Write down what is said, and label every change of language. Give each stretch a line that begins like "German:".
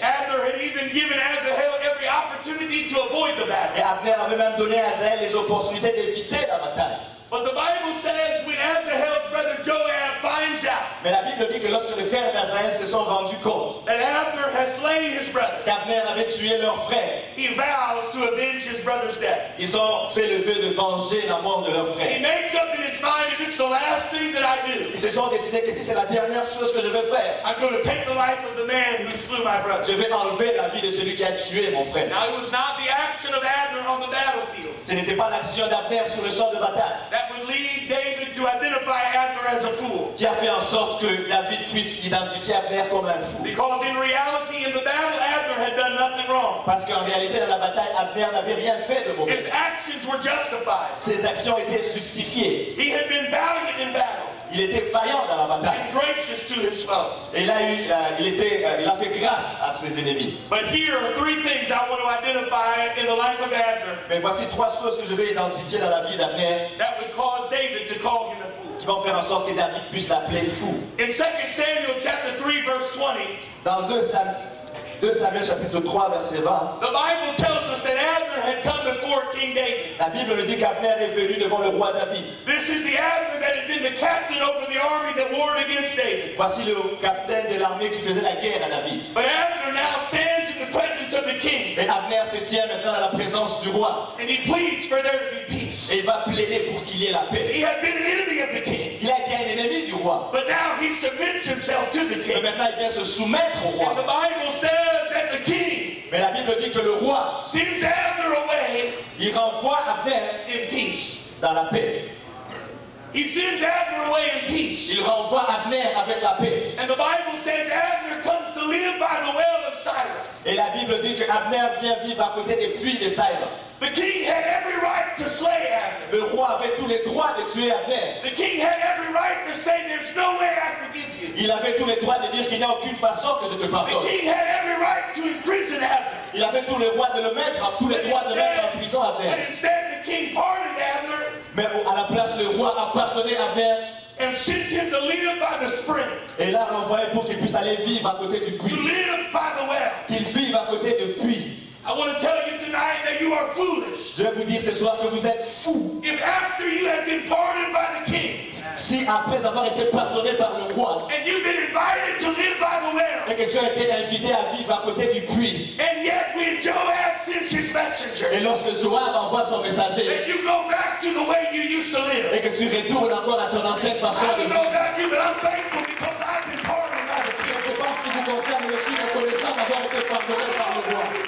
English: Abner had even given Asahel every opportunity to avoid the battle.
French: Et Abner avait même donné à Asahel les opportunités d'éviter la bataille.
English: But the Bible says when Asahel's brother Joab finds out,
French: mais la Bible dit que lorsque les frères d'Asahel se sont rendus compte
English: that Abner has slain his brother,
French: qu'Abner avait tué leur frère,
English: he vows to avenge his brother's death.
French: Ils ont fait le vœu de venger la mort de leur frère.
English: He makes up in his mind, if it's the last thing that I do,
French: ils se sont décidés que si c'est la dernière chose que je vais faire,
English: I'm going to take the life of the man who slew my brother.
French: Je vais enlever la vie de celui qui a tué mon frère.
English: Now it was not the action of Abner on the battlefield.
French: Ce n'était pas l'action d'Abner sur le champ de bataille.
English: That would lead David to identify Abner as a fool.
French: Qui a fait en sorte que David puisse identifier Abner comme un fou.
English: Because in reality, in the battle, Abner had done nothing wrong.
French: Parce qu'en réalité, dans la bataille, Abner n'avait rien fait de mauvais.
English: His actions were justified.
French: Ses actions étaient justifiées.
English: He had been valiant in battle.
French: Il était vaillant dans la bataille.
English: And gracious to his foe.
French: Et là, il a fait grâce à ses ennemis.
English: But here are three things I want to identify in the life of Abner.
French: Mais voici trois choses que je vais identifier dans la vie d'Abner.
English: That would cause David to call him a fool.
French: Qui vont faire en sorte que David puisse l'appeler fou.
English: In 2 Samuel chapter 3 verse 20.
French: Dans 2 Samuel chapitre 3 verset 20.
English: The Bible tells us that Abner had come before King David.
French: La Bible nous dit qu'Abner est venu devant le roi David.
English: This is the Abner that had been the captain over the army that warred against David.
French: Voici le capitaine de l'armée qui faisait la guerre à David.
English: But Abner now stands in the presence of the king.
French: Et Abner se tient maintenant à la présence du roi.
English: And he pleads for there to be peace.
French: Et il va plaider pour qu'il y ait la paix.
English: He had been an enemy of the king.
French: Il a été un ennemi du roi.
English: But now he submits himself to the king.
French: Mais maintenant il vient se soumettre au roi.
English: And the Bible says that the king,
French: mais la Bible dit que le roi
English: sends Abner away,
French: il renvoie Abner
English: in peace,
French: dans la paix.
English: He sends Abner away in peace.
French: Il renvoie Abner avec la paix.
English: And the Bible says Abner comes to live by the well of Siloh.
French: Et la Bible dit que Abner vient vivre à côté des puits de Siloh.
English: The king had every right to slay Abner.
French: Le roi avait tous les droits de tuer Abner.
English: The king had every right to say there's no way I forgive you.
French: Il avait tous les droits de dire qu'il n'y a aucune façon que je te pardonne.
English: The king had every right to imprison Abner.
French: Il avait tous les droits de le mettre en tous les
English: but
French: droits
English: instead,
French: de mettre en prison Abner.
English: But instead the king pardoned Abner.
French: Mais à la place le roi a pardonné Abner.
English: And sent him to live by the spring.
French: Et l'a renvoyé pour qu'il puisse aller vivre à côté du puits.
English: To live by the well.
French: Qu'il vive à côté du puits.
English: I want to tell you tonight that you are foolish.
French: Je vais vous dire ce soir que vous êtes fou.
English: If after you have been pardoned by the king,
French: si après avoir été pardonné par le roi,
English: and you've been invited to live by the well,
French: et que tu as été invité à vivre à côté du puits,
English: and yet when Joab sends his messenger,
French: et lorsque Joab envoie son messager,
English: and you go back to the way you used to live,
French: et que tu retournes encore à ton ancienne façon de vivre,
English: I don't know about you, but I'm thankful because I've been pardoned by the king.
French: Je pense qu'il vous concerne, je suis reconnaissant d'avoir été pardonné par le roi.